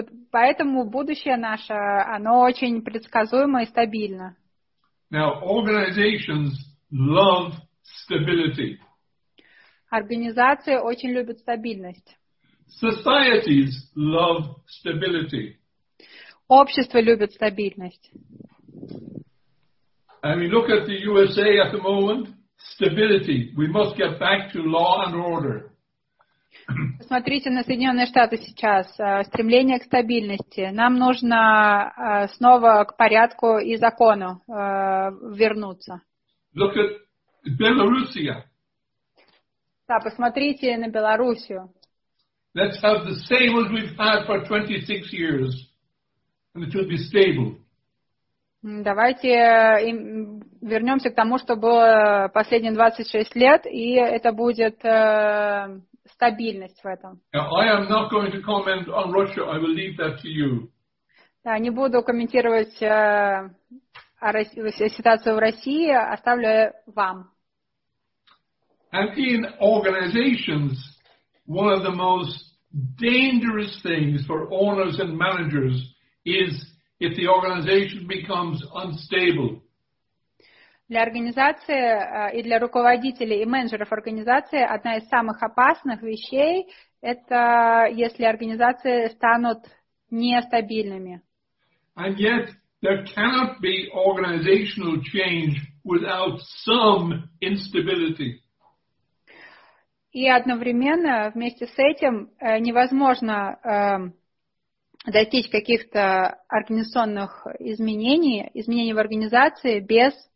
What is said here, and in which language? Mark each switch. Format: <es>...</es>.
<ru>Поэтому будущее наше, оно очень предсказуемо и стабильно.</ru> <en>Now organizations love stability.</en> <ru>Организации очень любят стабильность.</ru> <en>Societies love stability.</en> <ru>Общество любит стабильность.</ru> <en>I mean, look at the USA at the moment. Stability. We must get back to law and order.</en> <ru>Смотрите на Соединенные Штаты сейчас. Стремление к стабильности. Нам нужно снова к порядку и закону вернуться.</ru> <en>Look at Belarusia.</en> <ru>Да, посмотрите на Белоруссию.</ru> <en>Let's have the same as we've had for 26 years, and it will be stable.</en> <ru>Давайте вернемся к тому, что было последние 26 лет, и это будет стабильность в этом.</ru> <en>I am not going to comment on Russia. I will leave that to you.</en> <ru>Да, не буду комментировать ситуацию в России, оставлю вам.</ru> <en>And in organizations, one of the most dangerous things for owners and managers is if the organization becomes unstable.</en> <ru>Для организации и для руководителей и менеджеров организации одна из самых опасных вещей – это если организации станут нестабильными.</ru> <en>And yet, there cannot be organizational change without some instability.</en> <ru>И одновременно вместе с этим невозможно достичь каких-то организационных изменений в организации без</ru>